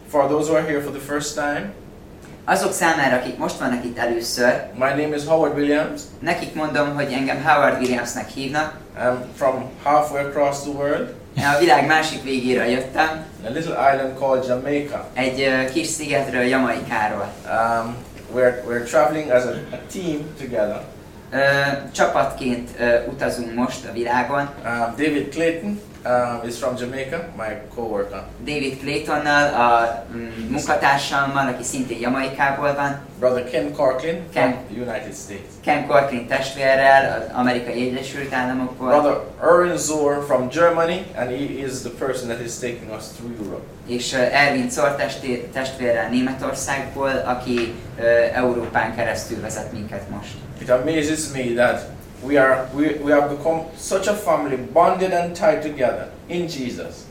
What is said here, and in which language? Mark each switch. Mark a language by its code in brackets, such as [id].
[en] For those who are here for the first time, [hu] azok számára, akik most vannak itt először, [en] my name is Howard Williams. [hu] Nekik mondom, hogy engem Howard Williamsnek hívnak. [en] I'm from halfway across the world. [hu] A világ másik végére jöttem. [en] A little island called Jamaica. [hu] Egy kis szigetről, Jamaikáról. [en] We're traveling as a team together. [hu] Csapatként utazunk most a világon. [en] David Clayton is from Jamaica, my co-worker. [hu] David Claytonnal, a munkatársammal, aki szintén Jamaikából van. [en] Brother Ken Corklin, Ken, from United States. [hu] Ken Corklin testvérrel, az Amerikai Egyesült Államokból. [en] Brother Erwin Zor from Germany, and he is the person that is taking us through Europe. [hu] És Erwin Zor testvérrel Németországból, aki Európán keresztül vezet minket most. [en] It amazes me that we have become such a family, bonded and tied together in Jesus.